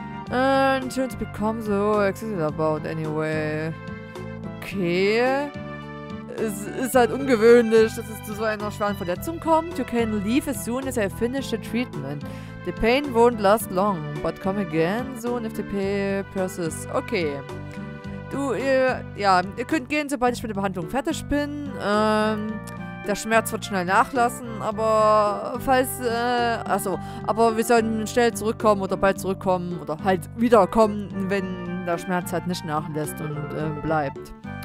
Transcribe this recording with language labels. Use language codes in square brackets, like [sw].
[en] And you don't become so excited about anyway. Okay. [de] Es ist halt ungewöhnlich, dass es zu so einer schweren Verletzung kommt. [en] You can leave as soon as I finish the treatment. The pain won't last long, but come again soon if the pain persists. Okay. [de] Ihr könnt gehen, sobald ich mit der Behandlung fertig bin. Der Schmerz wird schnell nachlassen, aber falls, aber wir sollen schnell zurückkommen oder bald zurückkommen oder halt wiederkommen, wenn der Schmerz halt nicht nachlässt und bleibt.